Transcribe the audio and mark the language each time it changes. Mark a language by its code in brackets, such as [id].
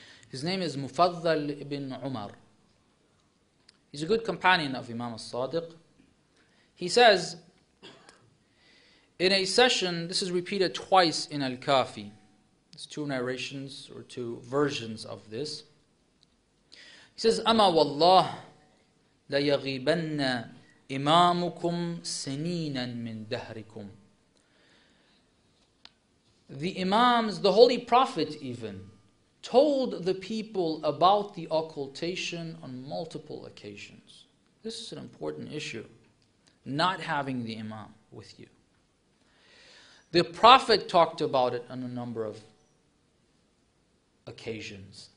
[en] His name is Mufaddal ibn Umar. He's a good companion of Imam al-Sadiq. He says, in a session, this is repeated twice in Al-Kafi. It's two narrations or two versions of this. He says, [ar] أَمَا وَاللَّهُ لَيَغِيبَنَّ إِمَامُكُمْ سَنِينًا مِنْ دَهْرِكُمْ. [en] The Imams, the Holy Prophet even, told the people about the occultation on multiple occasions. This is an important issue, not having the Imam with you. The Prophet talked about it on a number of occasions.